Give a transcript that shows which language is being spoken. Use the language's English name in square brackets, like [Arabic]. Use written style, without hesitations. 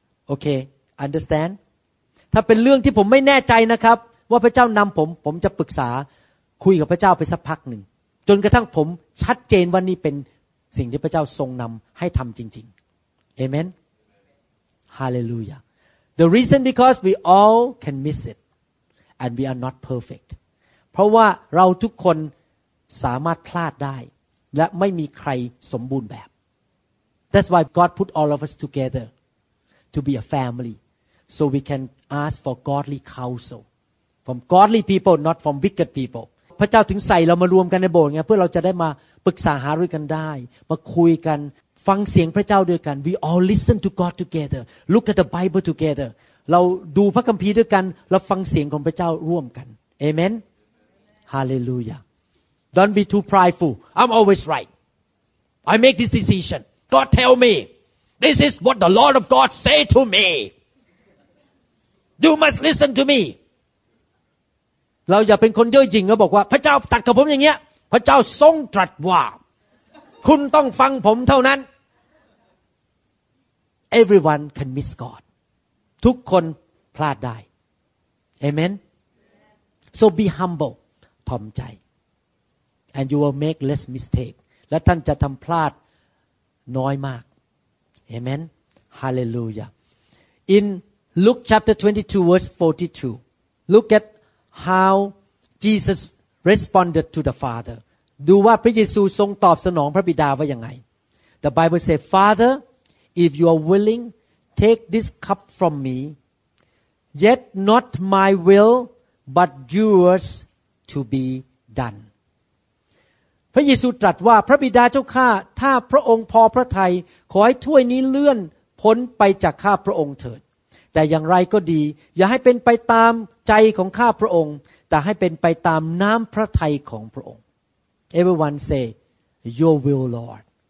[English] Okay, understand? [Thai] ถ้าเป็นเรื่องที่ผมไม่แน่ใจนะครับว่าพระเจ้านำผมจะปรึกษาคุยกับพระเจ้าไปสักพักหนึ่งจนกระทั่งผมชัดเจนว่านี่เป็นสิ่งที่พระเจ้าทรงนำให้ทำจริงๆ Amen? [English] Hallelujah. The reason because we all can miss it. And we are not perfect. [Thai] เพราะว่าเราทุกคนสามารถพลาดได้และไม่มีใครสมบูรณ์แบบ [English] That's why God put all of us together to be a family so we can ask for godly counsel from godly people not from wicked people [Thai] พระเจ้าถึงใส่เรามารวมกันในโบสถ์ไงเพื่อเราจะได้มาปรึกษาหารือกันได้มาคุยกันฟังเสียงพระเจ้าด้วยกัน [English] We all listen to God together look at the Bible together [Thai] เราดูพระคัมภีร์ด้วยกันเราฟังเสียงของพระเจ้าร่วมกัน Amen [English] HallelujahDon't be too prideful. I'm always right. I make this decision. God tell me. This is what the Lord of God say to me. You must listen to me. [Thai] เราอย่าเป็นคนเย่อหยิ่งแล้วบอกว่าพระเจ้าตัดกับผมอย่างเงี้ยพระเจ้าทรงตรัสว่าคุณต้องฟังผมเท่านั้น [English] Everyone can miss God. [Thai] ทุกคนพลาดได้ [English] Amen. So be humble. [Thai] ถ่อมใจ [English] And you will make less mistake. [Thai] และท่านจะทำพลาดน้อยมาก Amen. [English] Hallelujah. In Luke chapter 22 verse 42. Look at how Jesus responded to the Father. [Thai] ดูว่าพระเยซูทรงตอบสนองพระบิดาว่ายังไง [English] The Bible says, Father, if you are willing, take this cup from me. Yet not my will, but yours to be done. [Thai] พระเยซูตรัสว่าพระบิดาเจ้าข้าถ้าพระองค์พอพระทัยขอให้ถ้วยนี้เลื่อนพ้นไปจากข้าพระองค์เถิดแต่อย่างไรก็ดีอย่าให้เป็นไปตามใจของข้าพระองค์แต่ให้เป็นไปตามน้ำพระทัยของพระองค์ [English] Everyone say Your will Lord